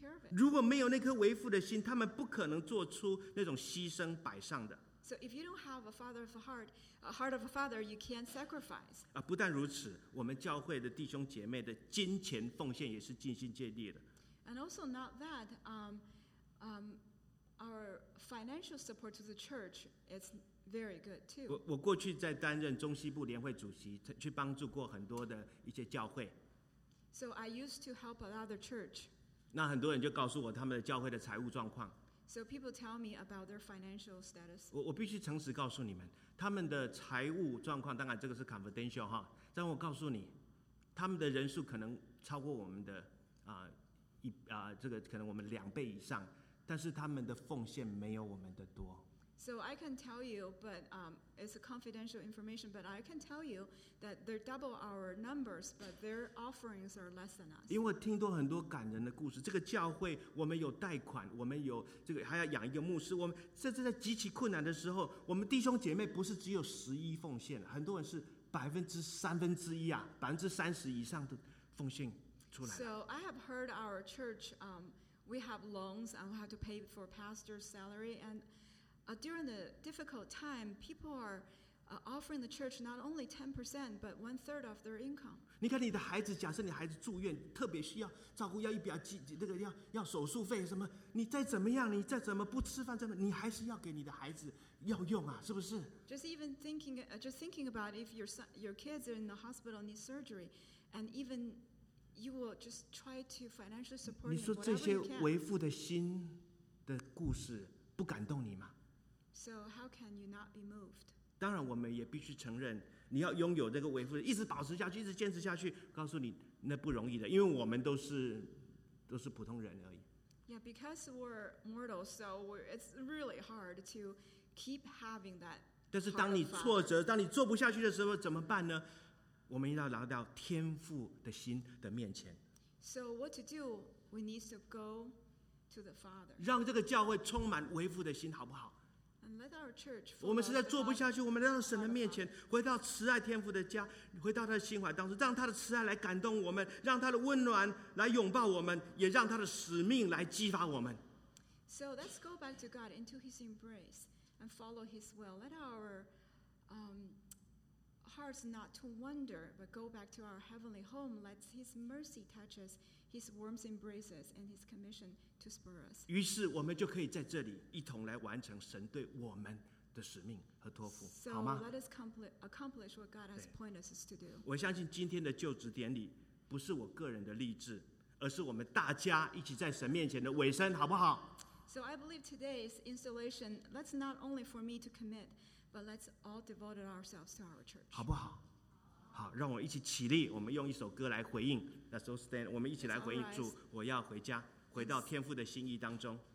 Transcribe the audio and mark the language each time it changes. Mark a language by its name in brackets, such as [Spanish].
[Chinese] 如果没有那颗为父的心，他们不可能做出那种牺牲摆上的。 [English] So if you don't have a father of a heart, a heart of a father, you can't sacrifice. [Chinese] 啊，不但如此，我们教会的弟兄姐妹的金钱奉献也是尽心竭力的。 [English] And also not that, our financial support to the church is. Very good too. [Chinese] 我过去在担任中西部联会主席，去帮助过很多的一些教会。 [English] So I used to help another church. [Chinese] 那很多人就告诉我他们的教会的财务状况。 [English] So people tell me about their financial status. [Chinese] 我必须诚实告诉你们，他们的财务状况，当然这个是 confidential 哈。但我告诉你，他们的人数可能超过我们的这个可能我们两倍以上，但是他们的奉献没有我们的多。 [English] So I can tell you, but it's a confidential information, but I can tell you that they're double our numbers, but their offerings are less than us. [Chinese] 因为我听到很多感人的故事，这个教会我们有贷款，我们有这个还要养一个牧师，我们甚至在极其困难的时候，我们弟兄姐妹不是只有十一奉献，很多人是百分之三分之一啊，百分之三十以上的奉献出来。 [English] So I have heard our church, we have loans and we have to pay for pastor's salary and... during the difficult time, people are offering the church not only 10%, but one third of their income. [Chinese] 你看你的孩子，假设你孩子住院，特别需要照顾，要一笔那个要手术费什么？你再怎么样，你再怎么不吃饭，怎么你还是要给你的孩子要用啊？是不是 [English] ？Just thinking about if your kids are in the hospital need surgery, and even you will just try to financially support. [Chinese] 你说这些为父的心的故事不感动你吗？ [English] So how can you not be moved? [Chinese] 当然，我们也必须承认，你要拥有这个为父，一直保持下去，一直坚持下去。告诉你，那不容易的，因为我们都是普通人而已。 [English] Yeah, because we're mortal, so it's really hard to keep having that. [Chinese] 但是当你挫折，当你做不下去的时候，怎么办呢？我们要来到天父的心的面前。 [English] So what to do? We need to go to the Father. [Chinese] 让这个教会充满为父的心，好不好？我们实在做不下去，我们来到神的面前，回到慈爱天父的家，回到他的心怀当中，让他的慈爱来感动我们，让他的温暖来拥抱我们，也让他的使命来激发我们。 [English] So let's go back to God into His embrace and follow His will. Let our hearts not to wander, but go back to our heavenly home. Let His mercy touch us, His warm embraces, and His commission to spur us. [Chinese] 于是我们就可以在这里一同来完成神对我们的使命和托付，好吗？ [English] So let us accomplish what God has pointed us to do. [Chinese] 我相信今天的就职典礼不是我个人的励志，而是我们大家一起在神面前的尾声，好不好？ [English] So I believe today's installation, that's not only for me to commit, but let's all devote ourselves to our church. [Chinese] 好不好？好，让我一起起立，我们用一首歌来回应。 [English] Let's all stand. [Chinese] 我们一起来回应主，我要回家，回到天父的心意当中。